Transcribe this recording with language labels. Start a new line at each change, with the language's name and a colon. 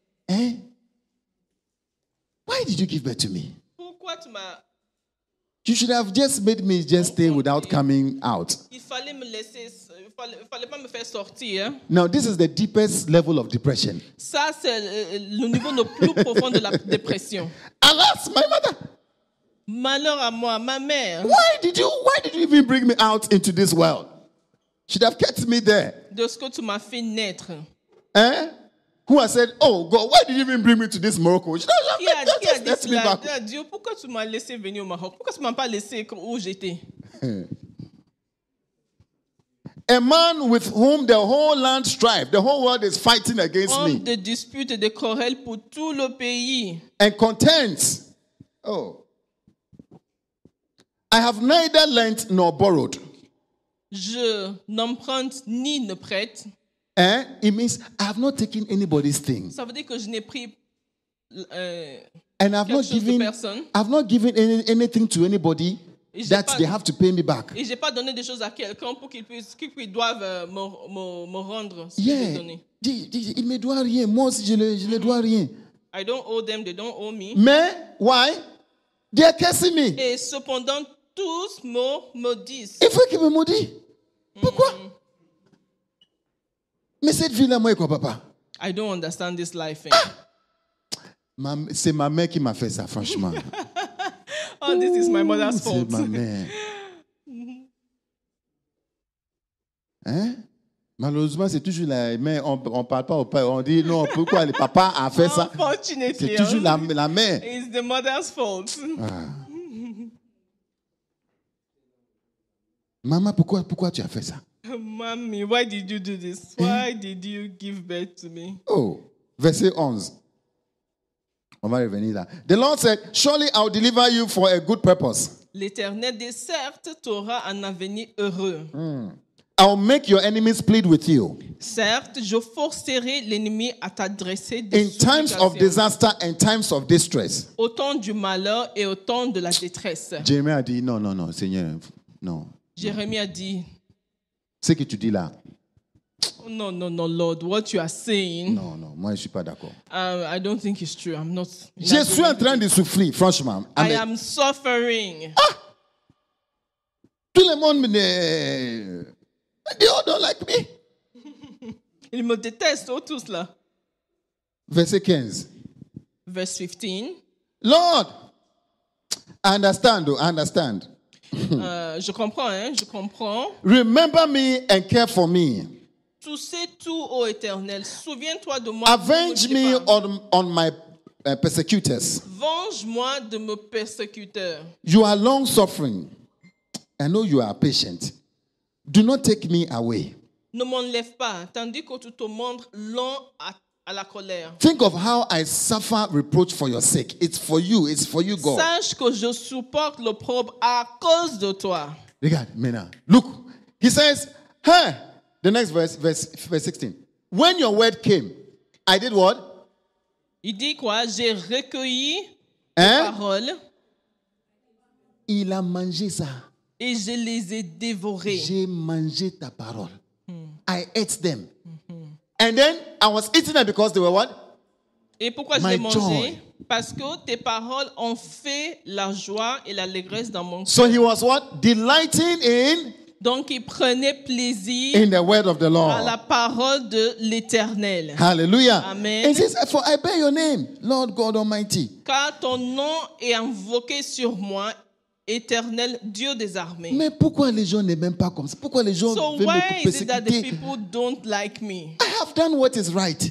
English: Hein? Why did you give birth to me?
French: Pour Pourquoi tu m'as...
English: You should have just made me just stay without coming out.
French: Il fallait me laisser, fallait pas me faire sortir.
English: Now, this is the deepest level of depression.
French: Ça, c'est le niveau le plus profond de la dépression.
English: Alas, my mother!
French: Malheur à moi, ma mère!
English: Why did you even bring me out into this world? Should have kept me there.
French: De ce que tu m'as fait naître. Hein?
English: Who has said, oh God, why did you even bring me to this Morocco?
French: Dieu, pourquoi tu m'as laissé venir au Maroc? Pourquoi tu m'as pas laissé où j'étais?
English: A man with whom the whole land strives, the whole world is fighting against
French: homme
English: me.
French: Homme de dispute et de querelle pour tout le pays.
English: And content. Oh. I have neither lent nor borrowed.
French: Je n'emprunte ni ne prête. Eh?
English: It means I have not taken anybody's thing.
French: Ça veut dire que je n'ai pris
English: and I've not given anything to anybody that they have to pay me back.
French: Et j'ai pas donné des choses à quelqu'un pour qu'il puisse qu'ils doivent me rendre ce
English: yeah.
French: que j'ai donné. Il me doit rien. Moi aussi je ne dois rien.
English: I don't owe them, they don't owe me.
French: Mais
English: why? They are cursing me.
French: Et cependant tous me maudissent. Il faut qu'ils me maudissent. Pourquoi? Mais cette vie là moi quoi papa?
English: I don't understand this life. Ah!
French: C'est ma mère qui m'a fait ça, franchement.
English: Oh, ooh, this is my mother's fault.
French: C'est ma mère. Hein? Malheureusement, c'est toujours la mère. On ne parle pas au père. On dit non, pourquoi le papa a fait ça?
English: Unfortunately,
French: c'est toujours la mère.
English: It's the mother's fault. Ah.
French: Maman, pourquoi tu as fait ça?
English: Mommy, why did you do this? Why did you give birth to me?
French: Oh, verset 11. On va revenir là.
English: The Lord said, surely I'll deliver you for a good purpose.
French: L'Éternel dit, certes, tu auras un avenir heureux.
English: I'll make your enemies plead with you.
French: Certes, je forcerai l'ennemi à t'adresser des
English: in times of disaster and times of distress.
French: Au temps du malheur et au temps de la détresse. Jérémie a dit, non, non, non, Seigneur, non. Jérémie a dit, ce que tu dis là. Non, non, non,
English: Lord, what you are saying.
French: Non, non, moi je ne suis pas d'accord.
English: I don't think it's true. I'm not.
French: Je suis en train de souffrir, franchement.
English: I am suffering.
French: Ah! Tout le monde me.
English: They all don't like me.
French: Ils me détestent, oh, tous là. Verset 15.
English: Verse 15. Lord! I understand.
French: Je comprends, hein, je comprends.
English: Remember me and care for me.
French: Tu sais tout, ô Éternel. Souviens-toi de moi.
English: Avenge me on my persecutors.
French: Venge-moi de mes persécuteurs.
English: You are long suffering. I know you are patient. Do not take me away.
French: Ne m'enlève pas, tandis que tu te montres lent à la colère.
English: Think of how I suffer reproach for your sake. It's for you. It's for you, God.
French: Sache que je supporte l'opprobre à cause de toi. Regarde,
English: Mena. Look, he says, hey. The next verse 16. When your word came, I did what?
French: Il dit quoi? J'ai recueilli hein? Les paroles. Il a mangé ça. Et je les ai dévorées. J'ai mangé ta parole.
English: I ate them. And then I was eating them because they were what?
French: Et pourquoi
English: my
French: je les
English: joy.
French: Mangé? Parce que tes paroles ont fait la joie et l'allégresse dans mon cœur.
English: So he was what? Delighting in.
French: Donc, il prenait plaisir
English: in the word of the Lord.
French: À la parole de l'Éternel.
English: Hallelujah. Amen. And says, for I bear your name, Lord God Almighty.
French: Car ton nom est invoqué sur moi, Éternel Dieu des armées. Mais pourquoi les gens n'aiment même pas comme ça? Pourquoi les gens
English: so
French: veulent
English: why
French: me persécuter?
English: Is it that the people don't like me? I have done what is right.